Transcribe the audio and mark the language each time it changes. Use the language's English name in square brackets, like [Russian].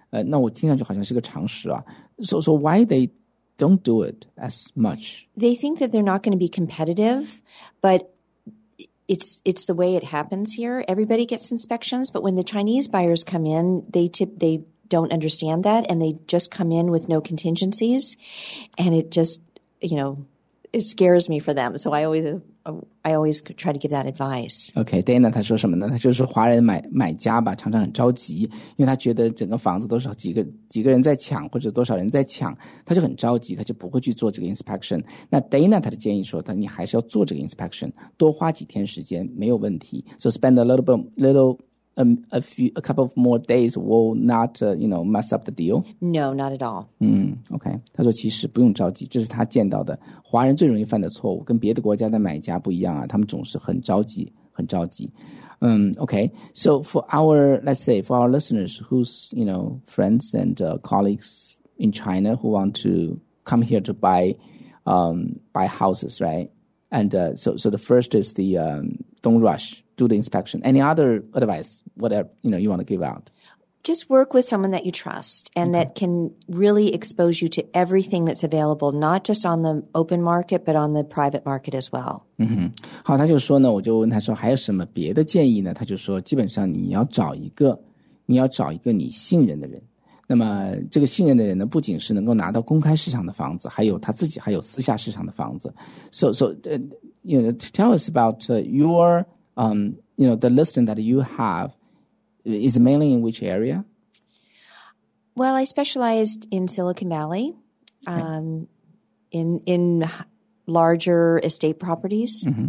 [Chinese] 那我听上去好像是个常识啊。 [English] So why they don't do it as much? They think that they're not going to be competitive, but it's the way it happens here. Everybody gets inspections, but when the Chinese buyers come in, they don't understand that, and they just come in with no contingencies, and it just, you know, it scares me for them. So I always try to give that advice. [Chinese] Okay, Dana, 他说什么呢？他就是华人买家吧，常常很着急，因为他觉得整个房子都是几个人在抢，或者多少人在抢，他就很着急，他就不会去做这个 inspection. 那 Dana 他的建议说，他你还是要做这个 inspection, 多花几天时间没有问题。 [English] So spend a couple of more days will not, you know, mess up the deal. No, not at all. Okay. [Chinese] 他说其实不用着急，这是他见到的华人最容易犯的错误，跟别的国家的买家不一样啊，他们总是很着急，很着急。 [English] Okay. So for our listeners, who's, you know, friends and colleagues in China who want to come here to buy houses, right? And so the first is the don't rush. Do the inspection. Any other advice, whatever, you know, you want to give out? Just work with someone that you trust and that can really expose you to everything that's available, not just on the open market, but on the private market as well. [Chinese] 好，他就说呢，我就问他说还有什么别的建议呢？他就说基本上你要找一个你信任的人。那么这个信任的人呢，不仅是能够拿到公开市场的房子，还有他自己还有私下市场的房子。 [English] So, you know, tell us about your... you know, the listing that you have is mainly in which area? Well, I specialized in Silicon Valley, in larger estate properties.